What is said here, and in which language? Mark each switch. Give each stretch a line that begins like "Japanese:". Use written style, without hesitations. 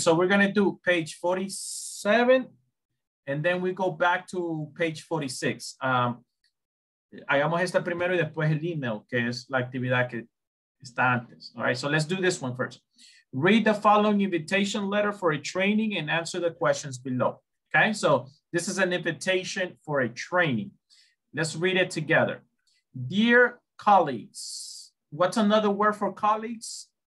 English: So we're going to do page 47 and then we go back to page 46.
Spanish: Hagamos esta primero y después el email, que es la actividad que está antes.
English: All right, so let's do this one first. Read the following invitation letter for a training and answer the questions below. Okay, so this is an invitation for a training. Let's read it together. Dear colleagues, what's another word for colleagues?